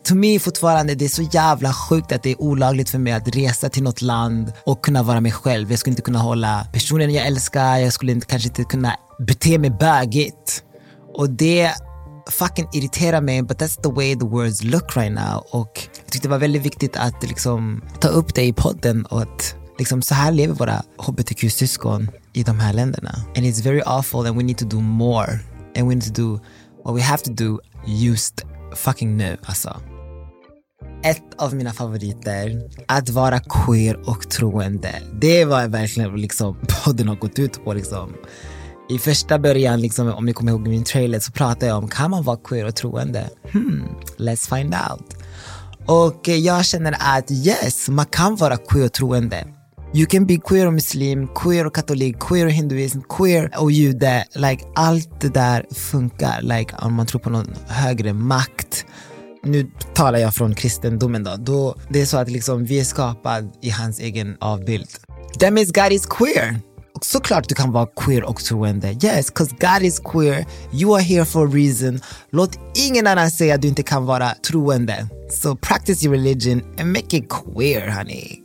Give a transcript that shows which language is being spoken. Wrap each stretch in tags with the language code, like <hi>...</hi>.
<en>To me</en> <sv>fortfarande, det är så jävla sjukt att det är olagligt för mig att resa till något land och kunna vara mig själv. Jag skulle inte kunna hålla personen jag älskar. Jag skulle inte, kanske inte kunna bete mig bögigt. Och det fucking irritera mig,</sv> <en>but that's the way the world look right now.</en> <sv>Och jag tyckte det var väldigt viktigt att liksom ta upp det i podden och att liksom så här lever våra HBTQ-syskon i de här länderna.</sv> <en>And it's very awful and we need to do more. And we need to do what we have to do just fucking</en> <sv>nu, alltså. Ett av mina favoriter, att vara queer och troende. Det var verkligen liksom podden har gått ut på liksom. I första början, liksom, om ni kommer ihåg min trailer, så pratade jag om, kan man vara queer och troende?</sv> <en>Let's find out.</en> <sv>Och jag känner att yes, man kan vara queer och troende.</sv> <en>You can be queer</en> <sv>och muslim, queer och katolik, queer och hinduism, queer och jude. Like, allt det där funkar. Like, om man tror på någon högre makt. Nu talar jag från kristendomen då. Då det är så att liksom, vi är skapade i hans egen avbild.</sv> <en>That means God is queer.</en> <sv>Såklart du kan vara queer och troende.</sv> <en>Yes, because God is queer. You are here for a reason.</en> <sv>Låt ingen annan säga att du inte kan vara troende.</sv> <en>So practice your religion and make it queer, honey.</en>